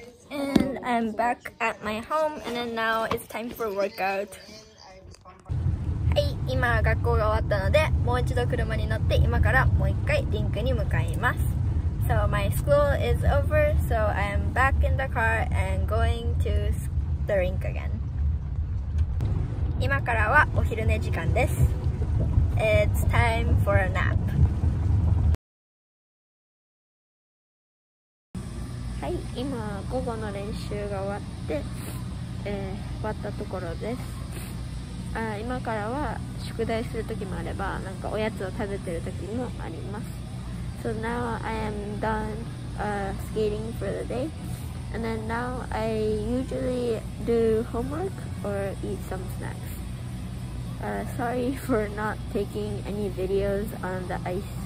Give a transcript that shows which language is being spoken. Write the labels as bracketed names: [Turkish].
[English] And I'm back at my home, and then now it's time for workout. [Japanese] はい、今学校が終わったので、もう一度車に乗って今からもう一回リンクに向かいます。 [English] So my school is over, so I'm back in the car and going to the rink again. [Japanese] 今からはお昼寝時間です。 [English] It's time for a nap. [Japanese] はい、今午後の練習が終わって、終わったところです。あ、今からは宿題する時もあれば、なんかおやつを食べてる時もあります。 [English] So now I am done skating for the day. And then now I usually do homework or eat some snacks. Sorry for not taking any videos on the ice.